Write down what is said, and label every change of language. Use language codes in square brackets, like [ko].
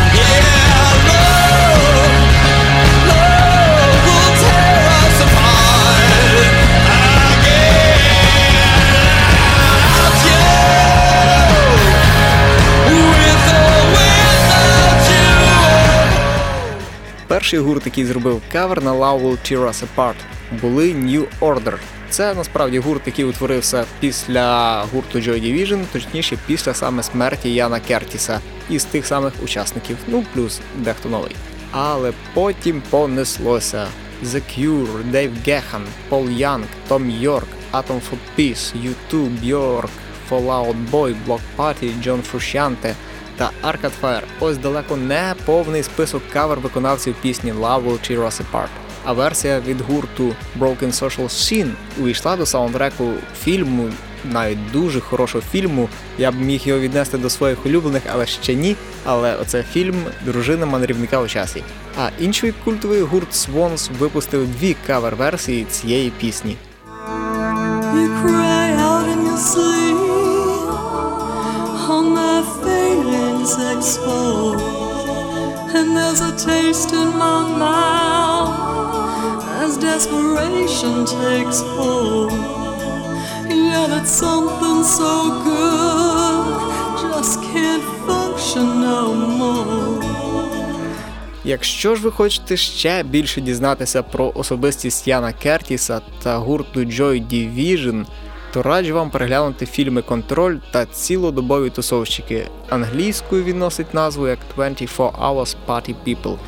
[en] Yeah, love will tear us apart again. I'll love you with or without. [uk] перший гурт, який зробив кавер на Love Will Tear Us Apart, були New Order. Це насправді гурт, який утворився після гурту Joy Division, точніше після саме смерті Яна Кертіса із тих самих учасників, ну плюс дехто новий. Але потім понеслося. The Cure, Dave Gahan, Paul Young, Tom York, Atom for Peace, U2, Björk, Fallout Boy, Block Party, John Frusciante та Arcade Fire. Ось далеко не повний список кавер-виконавців пісні Love Will Tear Us Apart. А версія від гурту Broken Social Scene увійшла до саундтреку фільму, навіть дуже хорошого фільму. Я б міг його віднести до своїх улюблених, але ще ні. Але оце фільм «Дружина мандрівника у часі». А інший культовий гурт Swans випустив дві кавер-версії цієї пісні. [en] You cry out in your sleep, all my feelings exposed, and there's a taste in my mouth as desperation takes hold. Yet it's something so good, just can't function no more. [uk] Якщо ж ви хочете ще більше дізнатися про особистість Яна Кертіса та гурту Joy Division, то раджу вам переглянути фільми «Контроль» та «Цілодобові тусовщики». Англійською він носить назву як «24 Hours Party People».